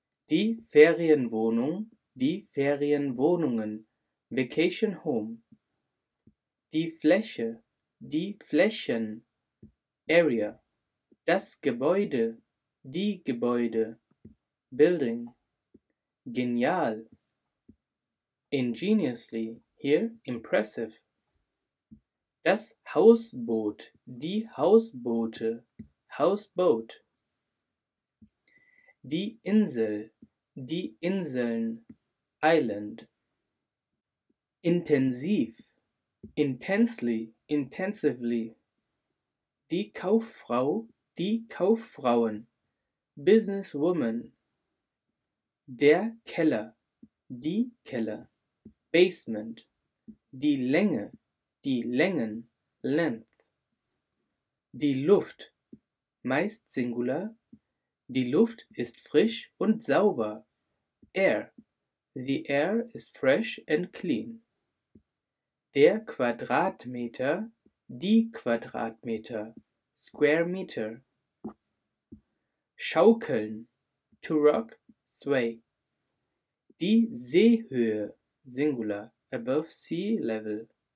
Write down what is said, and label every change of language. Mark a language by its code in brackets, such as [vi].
[de] Die Ferienwohnung, die Ferienwohnungen, [en] vacation home. [de] Die Fläche, die Flächen, area. Das Gebäude, die Gebäude, building. [en] Genial, ingeniously, here impressive. [de] Das Hausboot, die Hausboote, Houseboat. Die Insel, die Inseln, Island. [en] Intensiv, intensely, intensively. [de] Die Kauffrau, die Kauffrauen, Businesswoman. Der Keller, die Keller, Basement. Die Länge, die Längen, length. Die Luft, meist Singular. Die Luft ist frisch und sauber. [en] Air, the air is fresh and clean. [de] Der Quadratmeter, die Quadratmeter, [en] square meter. Schaukeln, to rock, sway. [de] Die Seehöhe, Singular, [en] above sea level.